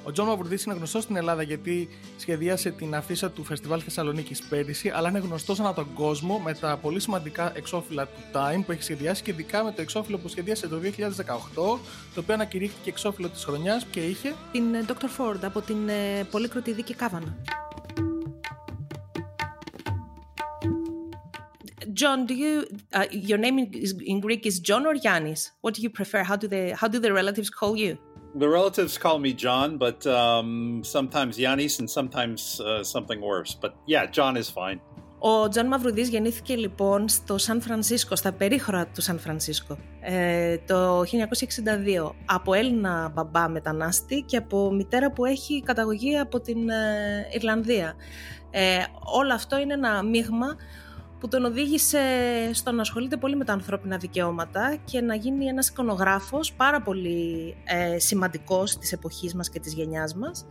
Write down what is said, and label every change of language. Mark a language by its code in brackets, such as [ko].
[el] Ο Τζον Μαυρουδής είναι γνωστός στην Ελλάδα γιατί σχεδίασε την αφίσα του Φεστιβάλ Θεσσαλονίκης πέρυσι, αλλά είναι γνωστός ανά τον κόσμο με τα πολύ σημαντικά εξώφυλλα του Time που έχει σχεδιάσει και ειδικά με το εξώφυλλο που σχεδίασε το 2018, το οποίο ανακηρύχθηκε εξώφυλλο της χρονιάς και είχε την Dr. Ford από την πολύκροτη δίκη Κάβανα. [en] John, do you your name in Greek is John or Yannis? What do you prefer? How do the relatives call you? The relatives call me John, but sometimes Yannis and sometimes something worse. But yeah, John is fine. [el] Ο Τζον Μαυρουδής γεννήθηκε λοιπόν στο Σαν Φρανσίσκο, στα περίχωρα του Σαν Φρανσίσκο, το 1962, από Έλληνα μπαμπά μετανάστη και από μητέρα που έχει καταγωγή από την Ιρλανδία. Όλο αυτό είναι ένα μείγμα που τον οδήγησε στο να ασχολείται πολύ με τα ανθρώπινα δικαιώματα και να γίνει ένας εικονογράφος πάρα πολύ σημαντικός της εποχής μας και της γενιάς μας.